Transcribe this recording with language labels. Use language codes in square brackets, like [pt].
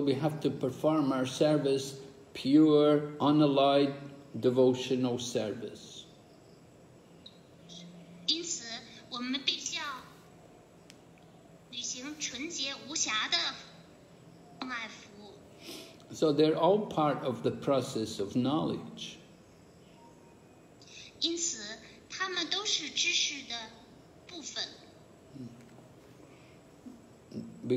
[en] we have to perform our service pure, unalloyed devotional service. [zh] 因此，我们必须要履行纯洁无瑕的奉爱服务。So [en] they're all part of the process of knowledge. [zh] 因此，他们都是知识的部分。We